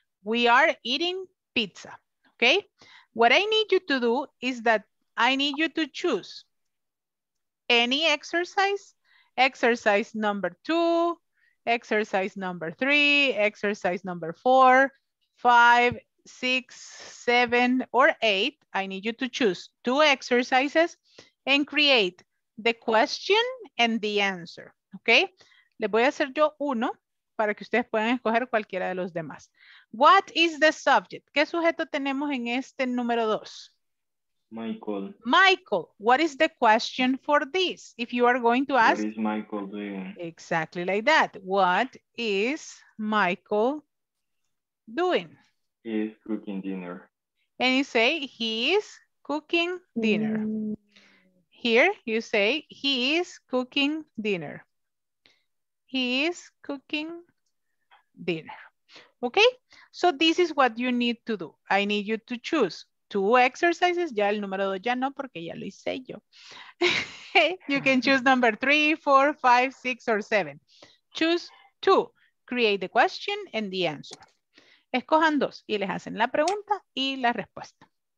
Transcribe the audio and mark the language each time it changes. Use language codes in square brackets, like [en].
[en] We are eating pizza. Okay. What I need you to do is that I need you to choose any exercise, exercise number two, exercise number three, exercise number four, five, six, seven, or eight. I need you to choose two exercises and create the question and the answer. Okay. [es] Le voy a hacer yo uno para que ustedes puedan escoger cualquiera de los demás. [en] What is the subject? [es] ¿Qué sujeto tenemos en este número dos? [en] Michael. Michael, what is the question for this? If you are going to ask. What is Michael doing? Exactly like that. What is Michael doing? He is cooking dinner. And you say, he is cooking dinner. Here you say, he is cooking dinner. He is cooking dinner. Okay, so this is what you need to do. I need you to choose. Two exercises, [es] ya el número dos ya no, porque ya lo hice yo. [en] You can choose number three, four, five, six, or seven. Choose two. Create the question and the answer. [es] Escojan dos y les hacen la pregunta y la respuesta.